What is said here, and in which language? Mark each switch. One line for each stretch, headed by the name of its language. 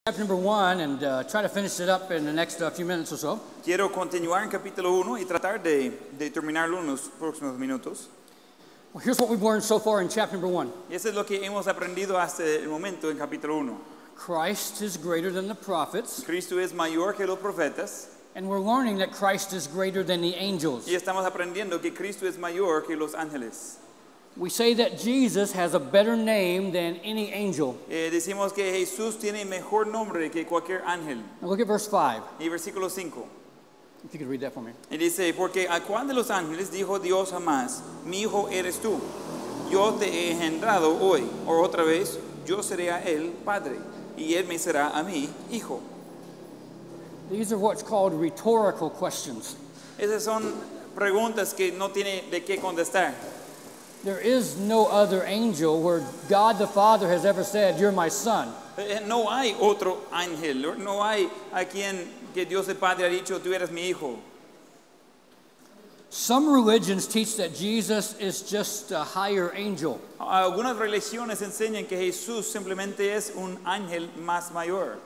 English: Chapter number one, and try to finish it up in the next few minutes or so.
Spanish: Quiero continuar en capítulo uno y tratar de terminarlo en los próximos minutos.
English: Well, here's what we've learned so far in chapter number one.
Spanish: Y eso es lo que hemos aprendido hasta el momento en capítulo uno.
English: Christ is greater than the prophets.
Spanish: Cristo es mayor que los profetas.
English: And we're learning that Christ is greater than the angels.
Spanish: Y estamos aprendiendo que Cristo es mayor que los ángeles.
English: We say that Jesus has a better name than any angel.
Spanish: Decimos que Jesús tiene mejor nombre que cualquier ángel.
English: Now look at verse 5.
Spanish: Y versículo 5.
English: If you could read that for me.
Spanish: Y dice, porque a cuál de los ángeles dijo Dios jamás, mi hijo eres tú, yo te he engendrado hoy, o otra vez, yo seré a él padre, y él me será a mí hijo.
English: These are what's called rhetorical questions.
Spanish: Esas son preguntas que no tiene de qué contestar.
English: There is no other angel where God the Father has ever said, "You're my son."
Spanish: No hay otro ángel, no hay a quien que Dios el Padre ha dicho, "Tú eres mi hijo."
English: Some religions teach that Jesus is just a higher angel.
Spanish: Algunas religiones enseñan que Jesús simplemente es un ángel más mayor.